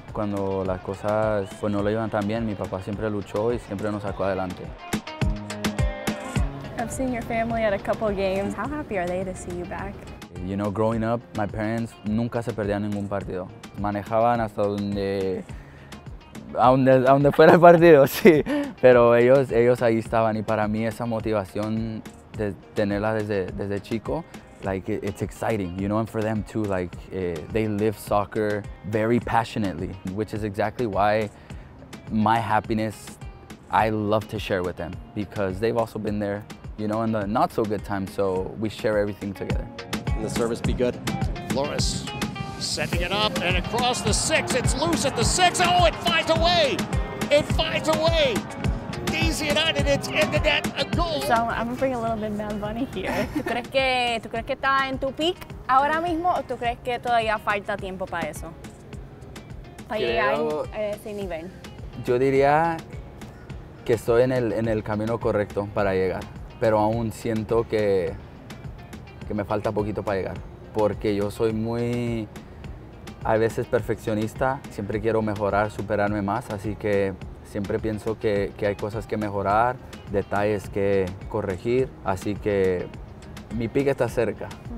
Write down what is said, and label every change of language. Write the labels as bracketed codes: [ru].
[es] Cuando las cosas pues no lo iban tan bien, mi papá siempre luchó y siempre nos sacó adelante. [en] I've seen your family at a couple of games. How happy are they to see you back? You know, growing up, my parents [es] nunca se perdían ningún partido. Manejaban hasta donde, a donde fuera el partido, sí. Pero ellos ahí estaban y para mí esa motivación de tenerla desde chico, [en] like it's exciting, you know, and for them too, like they live soccer very passionately, which is exactly why my happiness, I love to share with them because they've also been there, you know, in the not so good time. So we share everything together. Can the service be good? Flores setting it up and across the six. It's loose at the six. Oh, it flies away. It flies away. So I'm gonna bring a little bit Bad Bunny here. [es] ¿Tú crees que está en tu peak ahora mismo o tú crees que todavía falta tiempo para eso? Para llegar a ese nivel. Yo diría que estoy en el camino correcto para llegar, pero aún siento que me falta poquito para llegar, porque yo soy muy a veces perfeccionista, siempre quiero mejorar, superarme más, así que siempre pienso que hay cosas que mejorar, detalles que corregir, así que mi pique está cerca.